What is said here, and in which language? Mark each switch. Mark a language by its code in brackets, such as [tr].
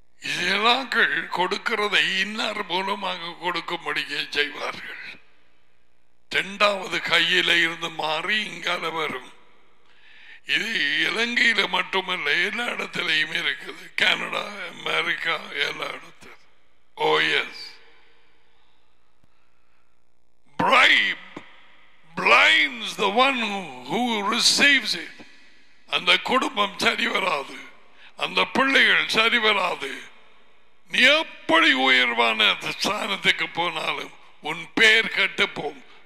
[ta] இதெல்லாக்கள் கொடுக்கிறதை இன்னார் மூலமாக கொடுக்கும்படியே செய்வார்கள். இரண்டாவது கையில இருந்து மாறி இங்கால வரும். இது இலங்கையில மட்டுமல்ல, எல்லா இடத்திலையும் இருக்குது. கனடா, அமெரிக்கா, எல்லா இடத்துல. [en] Oh yes, bribe blinds the one who receives it. [ta] அந்த குடும்பம் சரி வராது, அந்த பிள்ளைகள் சரி வராது. நீ எப்படி உயர்வான ஸ்தானத்துக்கு போனாலும் உன் பேர் கட்டுப்போம்.